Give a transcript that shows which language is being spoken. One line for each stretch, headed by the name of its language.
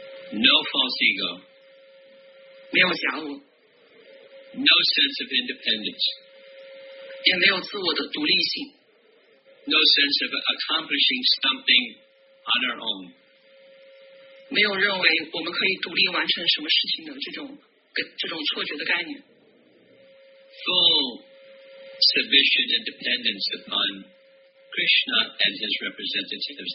English: No false ego.
Chinese: 没有假我。
English: No sense of independence.
Chinese: 也没有自我的独立性。
English: No sense of accomplishing something on our own.
Chinese: 没有认为我们可以独立完成什么事情的这种错觉的概念。
English: Full submission and dependence upon Krishna and his representatives.